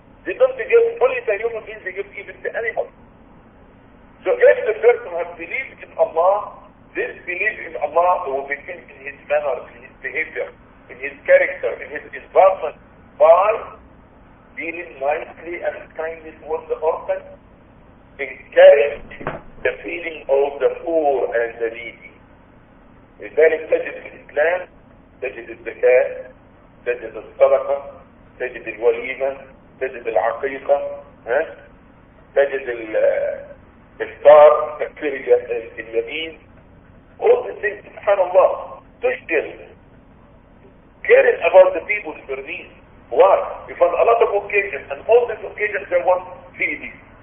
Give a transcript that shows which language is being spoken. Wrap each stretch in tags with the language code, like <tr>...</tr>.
<en>They don't give only to human beings, they give even to animals. So if the person has belief in Allah, this belief in Allah will begin in his manner, in his behavior, in his character, in his environment, by dealing nicely and kindly towards the orphan, encourage the feeling of the poor and the needy.</en> <ar>لذلك تجد الإسلام، تجد الزكاة، تجد الصدقة، تجد الوليمة، تجد العقيقة، تجد الإفطار، تكفير اليمين،</ar> <en>all the things</en> <ar>سبحان الله تشكل.</ar> <en>Caring about the people who are needy. Why? Because a lot of occasions, and all these occasions there was feeding.</en>